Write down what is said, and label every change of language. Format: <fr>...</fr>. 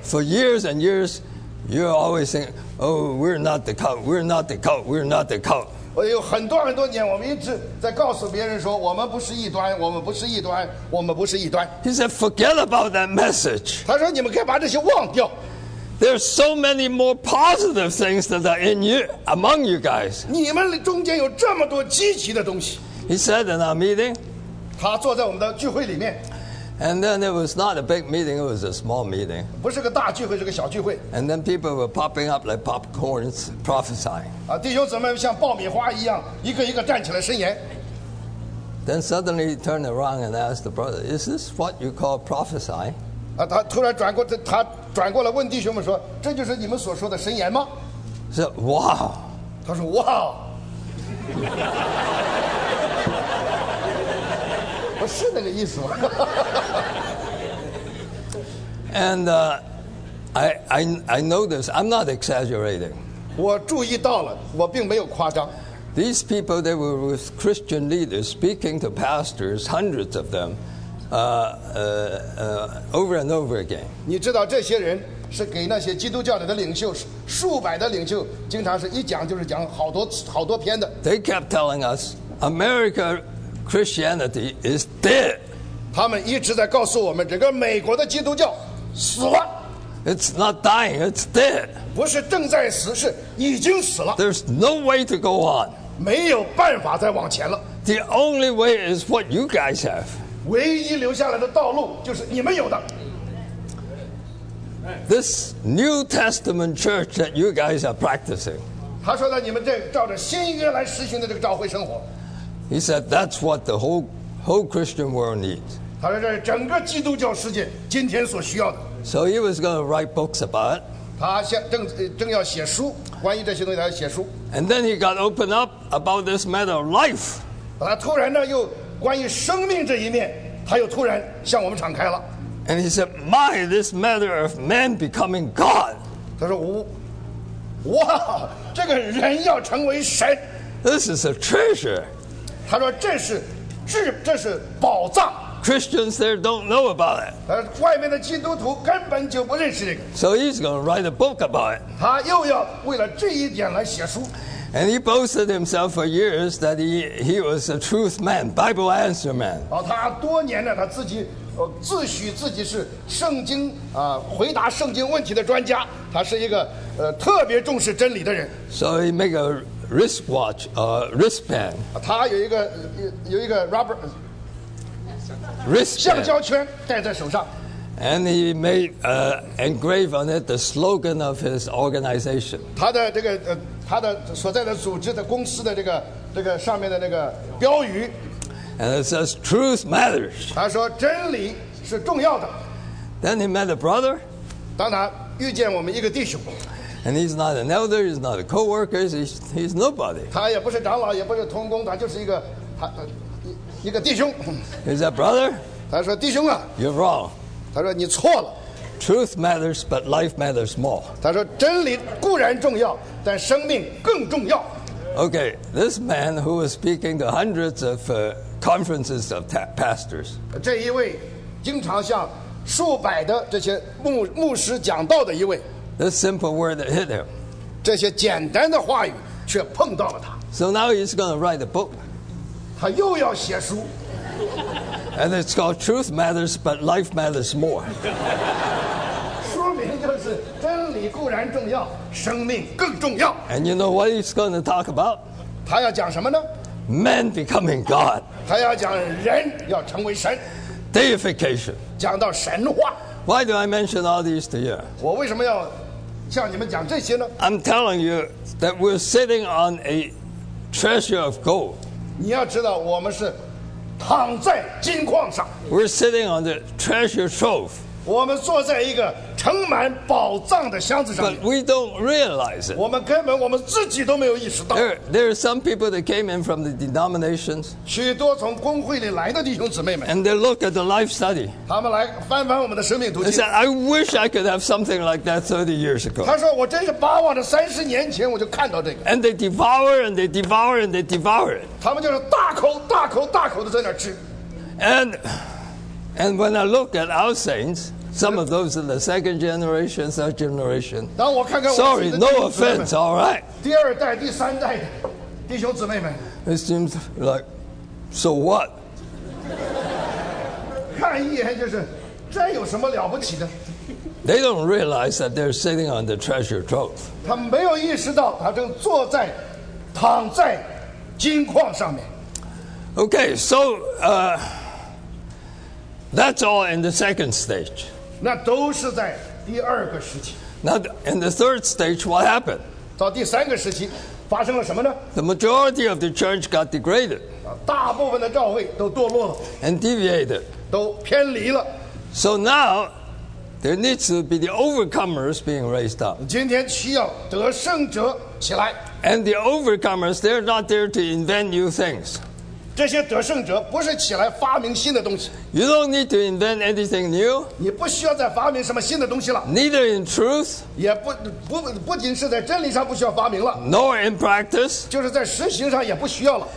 <en>For years and years, you're always saying, "Oh, we're not the cult. We're not the cult. We're not the cult."</en> <zh>有很多很多年，我们一直在告诉别人说，我们不是异端，我们不是异端，我们不是异端。</zh> <en>He said, "Forget about that message."</en> <zh>他说，你们可以把这些忘掉。</zh> <en>There's so many more positive things that are in you, among you guys.</en> <zh>你们中间有这么多积极的东西。</zh> <en>He said in our meeting.</en> <zh>他坐在我们的聚会里面。</zh> <en>And then it was not a big meeting; it was a small meeting.</en> <zh>不是个大聚会，是个小聚会。</zh> <en>And then people were popping up like popcorns, prophesying.</en> <zh>弟兄姊妹像爆米花一样，一个一个站起来伸言。</zh> <en>Then suddenly he turned around and asked the brother, "Is this what you call prophesying?"</en> <zh>他突然转过来问弟兄们说，这就是你们所说的伸言吗？</zh> <en>He said, "Wow."</en> <zh>他说 ，Wow. 不是那个意思吗？</zh> <en>And I know this. I'm not exaggerating.</en> <zh>我注意到了，我并没有夸张。</zh> <en>These people, they were with Christian leaders speaking to pastors, hundreds of them, over and over again.</en> <zh>你知道这些人是给那些基督教里的领袖，数百的领袖，经常是一讲就是讲好多好多篇的。</zh> <en>They kept telling us, "America Christianity is dead."</en> <zh>他们一直在告诉我们，整个美国的基督教死了。</zh> <en>It's not dying, it's dead.</en> <zh>不是正在死，是已经死了。</zh> <en>There's no way to go on.</en> <zh>没有办法再往前了。</zh> <en>The only way is what you guys have.</en> <zh>唯一留下来的道路就是你们有的。</zh> <en>This New Testament church that you guys are practicing.</en> <zh>他说呢，你们这照着新约来实行的这个教会生活。</zh> <en>He said that's what the whole Christian world needs.</en> <zh>他说这是整个基督教世界今天所需要的。</zh> <en>So he was going to write books about it.</en> <zh>他正要写书，关于这些东西他要写书。</zh> <en>And then he got opened up about this matter of life.</en> <zh>他突然呢又关于生命这一面，他又突然向我们敞开了。</zh> <en>And he said, "My, this matter of man becoming God."</en> <zh>他说我，哇，这个人要成为神。</zh> <en>This is a treasure.</en> <zh>他说这是宝藏。</zh> <en>Christians there don't know about it.</en> <zh>外面的基督徒根本就不认识这个。</zh> <en>So he's going to write a book about it.</en> <zh>他又要为了这一点来写书。</zh> <en>And he boasted himself for years that he was a truth man, Bible answer man.</en> <zh>他多年呢他自己自诩自己是圣经回答圣经问题的专家，他是一个特别重视真理的人。</zh> <en>So he made a wristwatch, wristband.</en> <zh>他有一个</zh> <en>rubber. Wristband.</en> <zh>橡胶圈戴在手上</zh> <en>and he made engrave on it the slogan of his organization.</en> <zh>他的这个他的所在的组织的公司的这个上面的那个标语</zh> <en>and it says truth matters.</en> <zh>他说真理是重要的</zh> <en>Then he met a brother.</en> <zh>当他遇见我们一个弟兄</zh> <en>and he's not an elder, he's not a co-worker, he's nobody.</en> <zh>他也不是长老，也不是同工，他就是一个他。一个弟兄</zh> <en>Is that brother?</en> <zh>他说弟兄啊</zh> <en>You're wrong</en> <zh>他说你错了</zh> <en>Truth matters but life matters more</en> <zh>他说真理固然重要但生命更重要</zh> <en>Okay, this man who was speaking to hundreds of conferences of pastors</en> <zh>这一位经常向数百的这些 牧师讲道的一位</zh> <en>This simple word that hit him</en> <zh>这些简单的话语却碰到了他</zh> <en>So now he's going to write a book</en> <zh>他又要写书</zh> <en>and it's called Truth Matters, but Life Matters More.</en> <zh>书名就是真理固然重要，生命更重要。</zh> <en>And you know what he's going to talk about?</en> <zh>他要讲什么呢</zh> <en>？Man becoming God.</en> <zh>他要讲人要成为神。</zh> <en>Deification.</en> <zh>讲到神话。</zh> <en>Why do I mention all these to you?</en> <zh>我为什么要向你们讲这些呢</zh> <en>？I'm telling you that we're sitting on a treasure of gold.</en> <zh>你要知道，我们是躺在金矿上。</zh> <en>We're sitting on the treasure trove.</en> <zh>我们坐在一个盛满宝藏的箱子上。</zh> <en>But we don't realize it.</en> <zh>我们根本我们自己都没有意识到。</zh> <en>There are some people that came in from the denominations.</en> <zh>许多从公会里来的弟兄姊妹们。</zh> <en>And they look at the life study.</en> <zh>他们来翻翻我们的生命读经。</zh> <en>They said, "I wish I could have something like that 30 years ago."</en> <zh>他说，我真是巴望着三十年前我就看到这个。</zh> <en>And they devour and they devour and they devour it.</en> <zh>他们就是大口大口大口的在那吃。</zh> <en>And when I look at our saints. Some of those in the second generation, third generation.</en> <zh>当我看看我们的弟兄姊妹们。</zh> <en>Sorry, no offense. All right.</en> <zh>第二代、第三代弟兄姊妹们。</zh> <en>It seems like, so what?</en> <zh>看一眼就是，这有什么了不起的</zh> <en>？They don't realize that they're sitting on the treasure trove.</en> <zh>他没有意识到，他正坐在，躺在金矿上面。</zh> <en>Okay, so that's all in the second stage.</en> <zh>那都是在第二个时期。</zh> <en>那 in the third stage, what happened?</en> <zh>到第三个时期，发生了什么呢</zh> <en>？The majority of the church got degraded.</en> <zh>大部分的教会都堕落了。</zh> <en>And deviated.</en> <zh>都偏离了。</zh> <en>So now, there needs to be the overcomers being raised up.</en> <zh>今天需要得胜者起来。</zh> <en>And the overcomers, they're not there to invent new things.</en> <zh>这些得胜者不是起来发明新的东西。</zh> <en>You don't need to invent anything new.</en> <zh>你不需要再发明什么新的东西了。</zh> <en>Neither in truth.</en> <zh>也不仅是在真理上不需要发明了。</zh> <en>Nor in practice.</en> <zh>就是在实行上也不需要了。</zh>